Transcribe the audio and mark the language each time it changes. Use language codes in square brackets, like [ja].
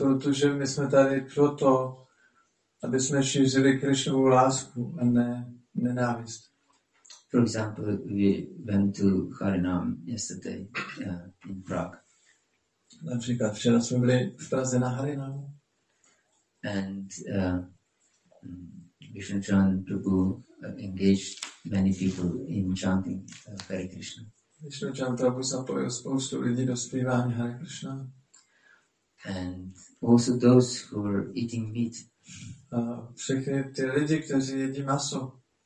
[cs] No, protože my jsme tady proto, aby jsme šířili Krišnovu lásku a ne nenávist. [en] For example, we went to Harinam yesterday in Prague. [cs] Například včera jsme byli v Praze na Harinamu. [en] And Vishnuchand Prabhu engaged many people in chanting Hare Krishna. [cs] Vishnuchand Prabhu zapojil spoustu lidí do zpívání Hare Krishna. [en] And also those who were eating meat. [cs] Všechny ty lidi, kteří jedí maso.